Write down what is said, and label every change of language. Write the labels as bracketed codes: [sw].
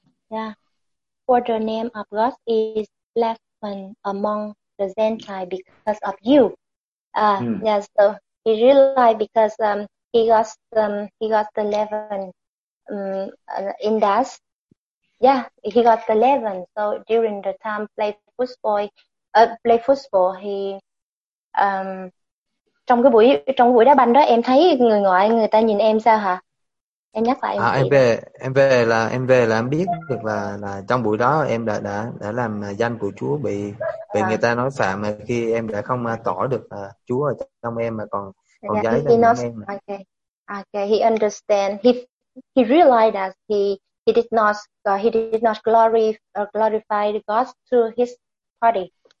[en] Yeah, for the name of God is blasphemed among the Gentiles because of you. Yeah, so he really liked because he got the leaven in that. Yeah, he got the leaven. So during the time play football, he [vi] trong cái buổi đá banh đó, em thấy người ngoại người ta nhìn em sao hả? Em nhắc lại. Em về là em biết được là trong buổi đó em đã làm danh của Chúa bị người ta nói phạm, mà khi em đã không tỏ được Chúa ở trong em mà còn giấy lên em. [en] Okay, he understand. He realized that he did not glorify God through his party.